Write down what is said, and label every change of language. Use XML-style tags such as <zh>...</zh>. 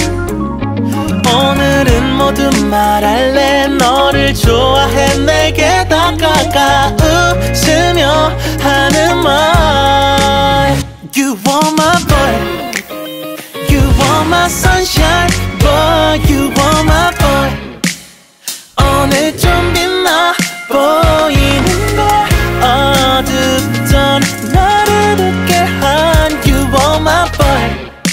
<ko>오늘은 모두 말할래. 너를 좋아해 내게 다가가 웃으며 하는 말.</ko> <en>You are my boy, you are my sunshine boy, you are my boy.</en> <ko>오늘 좀 빛나 보이는 걸 어둡던 나를 웃게 한</ko> <en>You are my boy.</en>